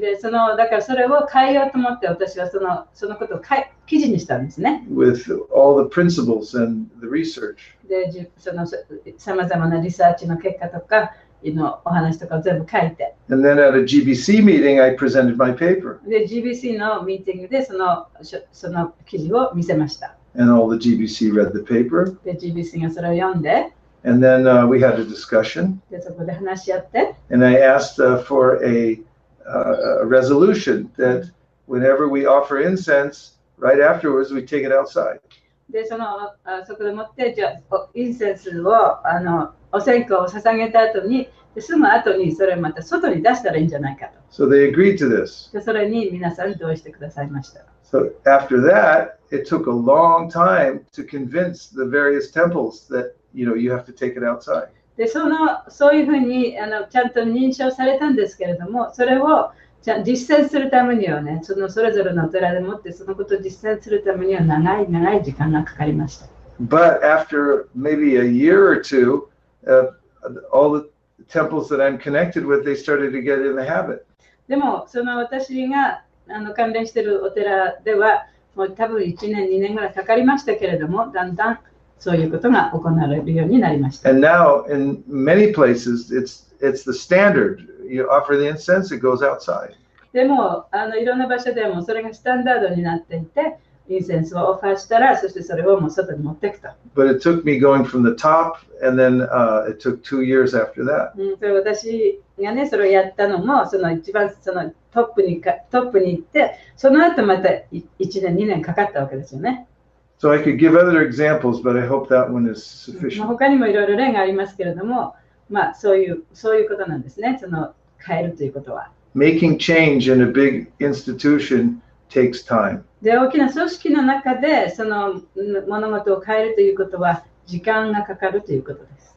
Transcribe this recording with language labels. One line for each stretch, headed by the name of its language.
Japanese: で、その、だからそれを変えようと思って私はそのことを記事にしたんですね。
English: With all the principles and the research.
Japanese: で、その、さまざまなリサーチの結果とか、のお話とかを全部書いて。
English: And then at a GBC meeting, I presented my paper.
Japanese: で、GBC のミーティングでその記事を見せました。
English: And all the GBC read the paper.
Japanese: で、GBC がそれを読んで。
English: And then we had a discussion.
Japanese: で、そこで話し合って。
English: And I asked for a resolution that whenever we offer incense, right afterwards, we take it outside.
Japanese: で、そこで持って、じゃあ、インセンスを、お線香を捧げた後に、すぐ後にそれをまた外に出したらいいんじゃないかと。
English: So they agreed to this.
Japanese: で、それに皆さん同意してくださいました。
English: So after that, it took a long time to convince the various temples that, you know, you have to take it outside.
Japanese: で、そういうふうにちゃんと認証されたんですけれども、それを実践するためにはね、それぞれの寺でもってそのことを実践するためには長い長い時間がかかりました。
English: But after maybe a year or two,all the temples that I'm connected with, they started to get in the habit.
Japanese: でもその私が関連しているお寺ではもう多分1年2年ぐらいかかりましたけれども、だんだんそういうことが行われるようになりました。
English: And now in many places it's the standard. You offer the incense, it goes outside.
Japanese: でもいろんな場所でもそれがスタンダードになっていて、インセンスをオファーしたら、そしてそれをもう外に持っていくと。
English: But it took me going from the top, and then it took 2 years after that.
Japanese: うん、それ私がね、それをやったのも、その一番そのトップに行って、その後また1年、2年かかったわけですよね。
English: So I could give other examples, but I hope that one is sufficient.
Japanese: 他にもいろいろ例がありますけれども、まあそういうことなんですね、その変えるということは。
English: Making change in a big institution takes time.
Japanese: で、大きな組織の中でその物事を変えるということは時間がかかるということです。